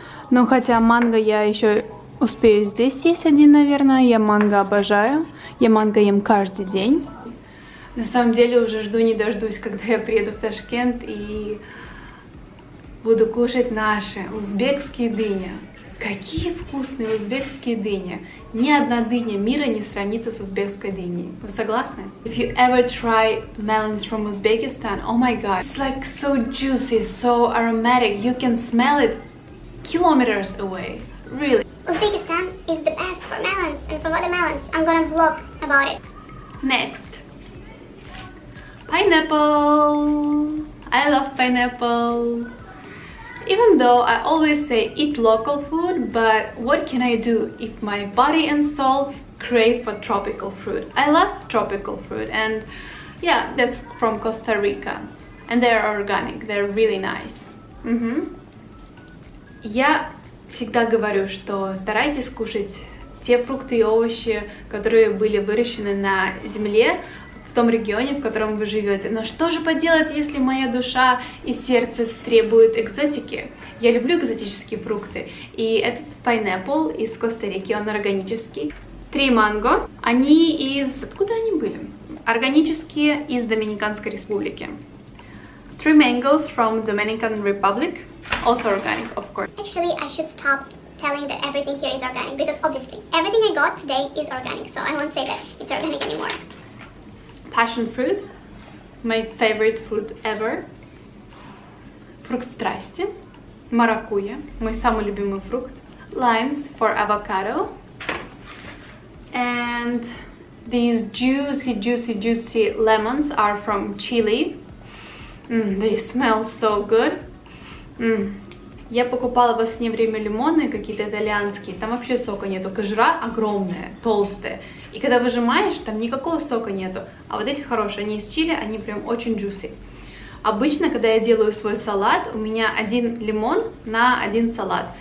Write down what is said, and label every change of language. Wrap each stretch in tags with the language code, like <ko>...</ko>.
<ru>Но хотя манго я еще успею здесь есть один, наверное. Я манго обожаю. Я манго ем каждый день. На самом деле уже жду не дождусь, когда я приеду в Ташкент и буду кушать наши узбекские дыни. Какие вкусные узбекские дыни! Ни одна дыня мира не сравнится с узбекской дыней. Вы согласны?</ru> <en>If you ever try melons from Uzbekistan, oh my god, it's like so juicy, so aromatic, you can smell it kilometers away. Really. Uzbekistan is the best for melons and for watermelons. I'm gonna vlog about it. Next. Pineapple. I love pineapple. Even though I always say eat local food, but what can I do if my body and soul crave for tropical fruit? I love tropical fruit, and yeah, that's from Costa Rica, and they're organic, they're really nice. Mm-hmm.</en> <ru>Я всегда говорю, что старайтесь кушать те фрукты и овощи, которые были выращены на земле, в том регионе, в котором вы живете. Но что же поделать, если моя душа и сердце требуют экзотики? Я люблю экзотические фрукты. И этот pineapple из Коста-Рики, он органический. Три манго. Они из... Откуда они были? Органические, из Доминиканской Республики.</ru> <en>Three mangoes from Dominican Republic. Also organic, of course. Actually, I should stop telling that everything here is organic, because obviously, everything I got today is organic, so I won't say that it's organic anymore. Passion fruit, my favorite fruit ever.</en> <ru>Фрукт страсти, маракуйя, мой самый любимый фрукт.</ru> <en>Limes for avocado. And these juicy, juicy, juicy lemons are from Chile. They smell so good.</en> <ru>Я покупала во сне время лимоны, какие-то итальянские, там вообще сока нету, кожура огромная, толстая. И когда выжимаешь, там никакого сока нету. А вот эти хорошие, они из чили, они прям очень juicy. Обычно, когда я делаю свой салат, у меня один лимон на один салат.</ru>